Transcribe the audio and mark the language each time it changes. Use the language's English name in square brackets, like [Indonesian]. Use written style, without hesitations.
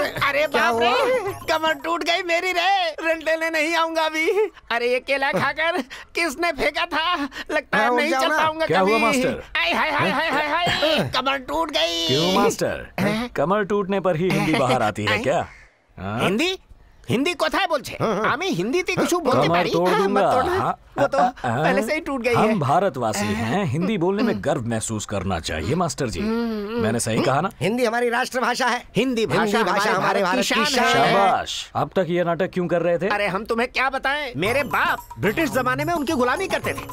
[Hindi] अरे बाप रे, कमर टूट गई मेरी रे, रेंट लेने नहीं आऊंगा अभी। अरे ये केला खाकर किसने फेंका था, लगता है नहीं चल पाऊंगा कभी। क्या हुआ मास्टर? आई हाय हाय हाय हाय हाय, कमर टूट गई। क्यों मास्टर, कमर टूटने पर ही हिंदी बाहर आती है क्या? [Bangla] हिंदी, हिंदी कोथाय बोलछे? आमी हिंदी ते कुछ बोलते पारी? [Hindi] कमर तोड़ दूंगा। वो तो पहले से ही टूट गई है। हम भारतवासी हैं, हिंदी बोलने में गर्व महसूस करना चाहिए मास्टर जी। मैंने सही कहा ना? हिंदी हमारी राष्ट्रभाषा है, हिंदी भाषा हमारे भारत की शान है। शाबाश, अब तक ये नाटक क्यों कर रहे थे? अरे हम तुम्हें क्या बताएं, मेरे बाप ब्रिटिश जमाने में उनकी गुलामी करते थे।